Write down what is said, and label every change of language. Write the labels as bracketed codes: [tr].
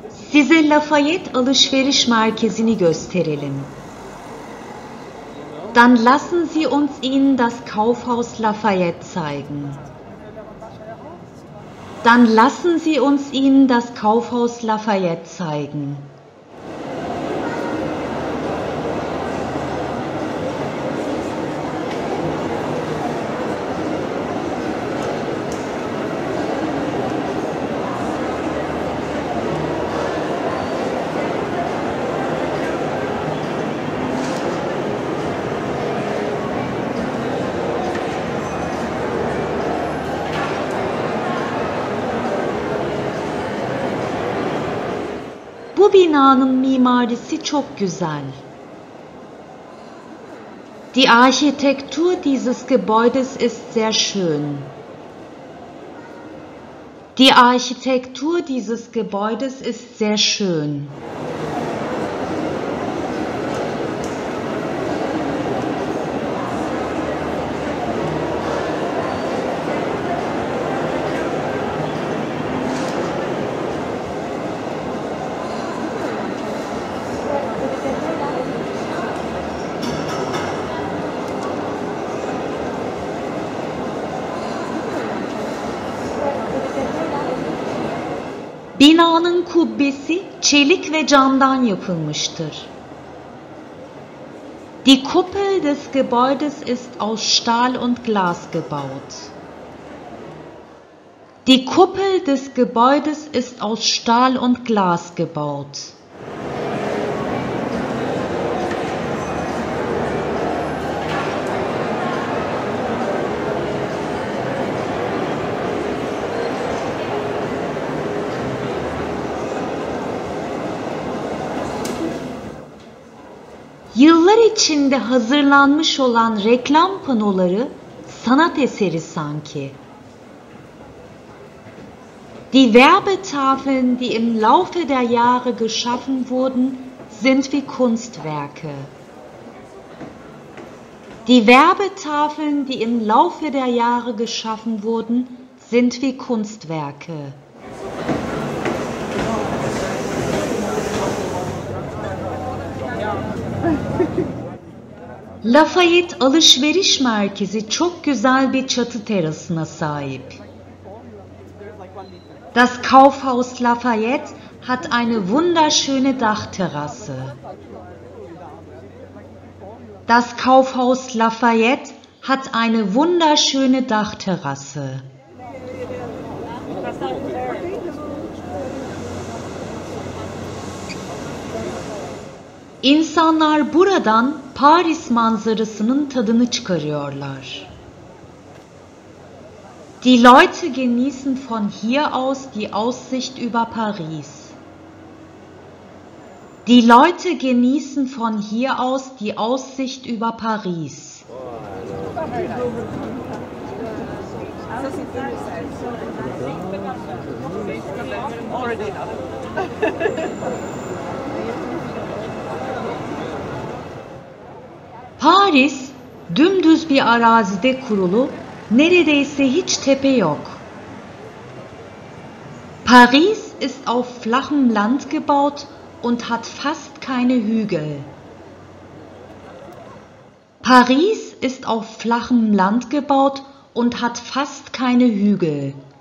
[tr] Size Lafayette Alışveriş Merkezi'ni gösterelim. [de] Dann lassen Sie uns Ihnen das Kaufhaus Lafayette zeigen. Dann lassen Sie uns Ihnen das Kaufhaus Lafayette zeigen. [tr] Bu binanın mimarisi çok güzel. [de] Die Architektur dieses Gebäudes ist sehr schön. Die Architektur dieses Gebäudes ist sehr schön. [tr] Binanın kubbesi çelik ve camdan yapılmıştır. [de] Die Kuppel des Gebäudes ist aus Stahl und Glas gebaut. Die Kuppel des Gebäudes ist aus Stahl und Glas gebaut. [tr] Yıllar içinde hazırlanmış olan reklam panoları sanat eseri sanki. [de] Die Werbetafeln, die im Laufe der Jahre geschaffen wurden, sind wie Kunstwerke. Die Werbetafeln, die im Laufe der Jahre geschaffen wurden, sind wie Kunstwerke. [tr] Lafayette Alışveriş Merkezi çok güzel bir çatı terasına sahip. [de] Das Kaufhaus Lafayette hat eine wunderschöne Dachterrasse. Das Kaufhaus Lafayette hat eine wunderschöne Dachterrasse. [tr] İnsanlar buradan Paris manzarasının tadını çıkarıyorlar. [de] Die Leute genießen von hier aus die Aussicht über Paris. Die Leute genießen von hier aus die Aussicht über Paris. [tr] Paris, dümdüz bir arazide kurulu, neredeyse hiç tepe yok. [de] Paris ist auf flachem Land gebaut und hat fast keine Hügel. Paris ist auf flachem Land gebaut und hat fast keine Hügel.